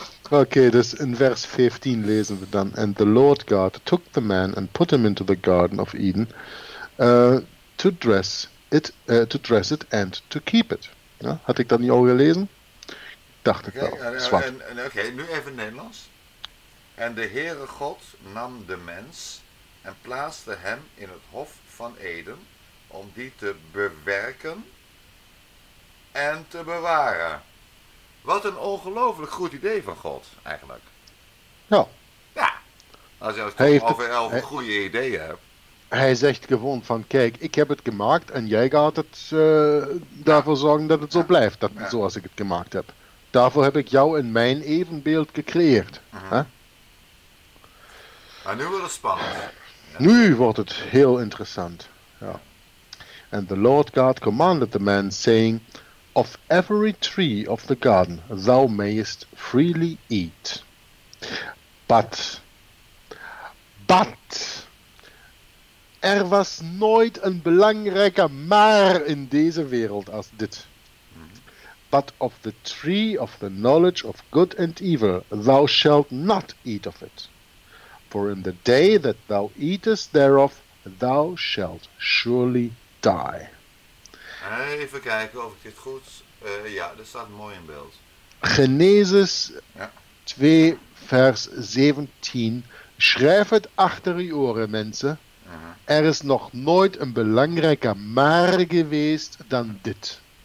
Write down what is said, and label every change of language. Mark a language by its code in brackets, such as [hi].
[nl] Okay, dus in vers 15 lezen we dan: [en] And the Lord God took the man and put him into the garden of Eden to dress it and to keep it. [nl] Ja, had ik dat niet al gelezen? Dacht ik wel. Okay, nu even Nederlands. En de Heere God nam de mens en plaatste hem in het hof van Eden om die te bewerken en te bewaren. Wat een ongelooflijk goed idee van God, eigenlijk. Ja. Ja. Als je het over goede ideeën hebt. Hij zegt gewoon van, kijk, ik heb het gemaakt en jij gaat het daarvoor zorgen dat het zo blijft, dat, zoals ik het gemaakt heb. Daarvoor heb ik jou in mijn evenbeeld gecreëerd. Mm-hmm. Hè? En nu wordt het spannend. Nu wordt het heel interessant. Ja. [en] And the Lord God commanded the man, saying, Of every tree of the garden thou mayest freely eat. [nl] But, er was nooit een belangrijker maar in deze wereld als dit. [en] But of the tree of the knowledge of good and evil thou shalt not eat of it. For in the day that thou eatest thereof thou shalt surely die. [nl] Even kijken of ik dit goed... dat staat mooi in beeld. Genesis 2 vers 17. Schrijf het achter je oren, mensen. Uh-huh. Er is nog nooit een belangrijker maar geweest dan dit.